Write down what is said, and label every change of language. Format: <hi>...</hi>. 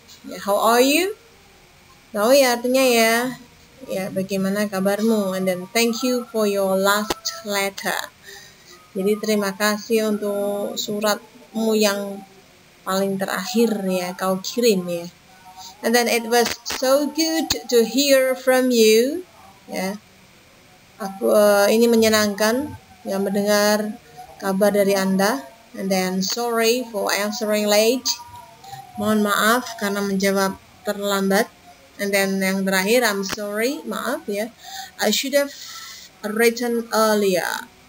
<id>Ya,</id> <en>how are you?</en> <id>Tahu ya artinya ya. Ya, bagaimana kabarmu?</id> <en>And then thank you for your last letter.</en> <id>Jadi terima kasih untuk suratmu yang paling terakhir ya, kau kirim ya.</id> <en>And then it was so good to hear from you.</en> <id>Ya, aku ini menyenangkan ya mendengar kabar dari Anda.</id> <en>And then sorry for answering late.</en> <id>Mohon maaf karena menjawab terlambat.</id> <en>And then</en> <id>yang terakhir,</id> <en>I'm sorry,</en> <id>maaf ya.</id> <en>I should have written earlier.</en>